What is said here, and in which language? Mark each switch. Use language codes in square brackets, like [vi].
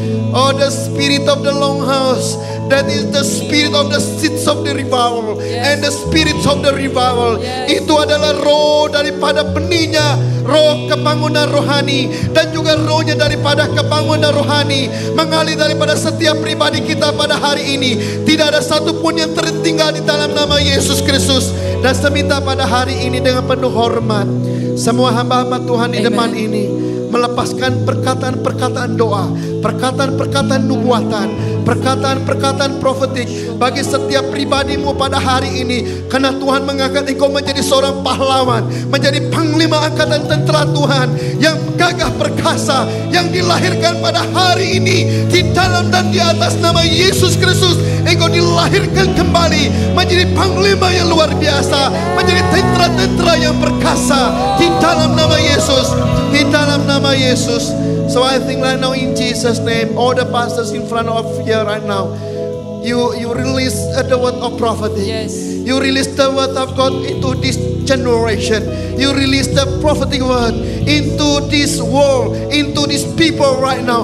[en] Oh, the spirit of the Longhouse, that is the spirit of the seeds of the revival, yes, and the spirits of the revival, yes. [id] Itu adalah roh daripada benihnya, roh kebangunan rohani, dan juga rohnya daripada kebangunan rohani mengalir daripada setiap pribadi kita pada hari ini. Tidak ada satupun yang tertinggal di dalam nama Yesus Kristus. Dan saya minta pada hari ini dengan penuh hormat, semua hamba-hamba Tuhan di depan ini melepaskan perkataan-perkataan doa, perkataan-perkataan nubuatan, perkataan-perkataan profetik bagi setiap pribadimu pada hari ini. Karena Tuhan mengangkat engkau menjadi seorang pahlawan, menjadi panglima angkatan tentara Tuhan yang gagah perkasa, yang dilahirkan pada hari ini di dalam dan di atas nama Yesus Kristus. Engkau dilahirkan kembali menjadi panglima yang luar biasa, menjadi tentara-tentara yang perkasa di dalam nama Yesus, di dalam nama Yesus. [en] So I think right now in Jesus' name, all the pastors in front of here right now, you release the word of prophecy. Yes. You release the word of God into this generation. You release the prophetic word into this world, into these people right now.